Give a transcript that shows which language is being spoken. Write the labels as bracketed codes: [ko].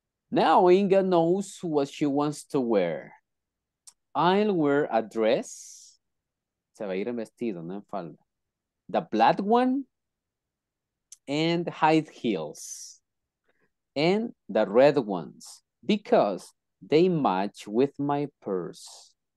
[en] Now Inga knows what she wants to wear. I'll wear a dress. [es] Se va a ir en vestido, no en falda. [en] The black one and high heels and the red ones because they match with my purse.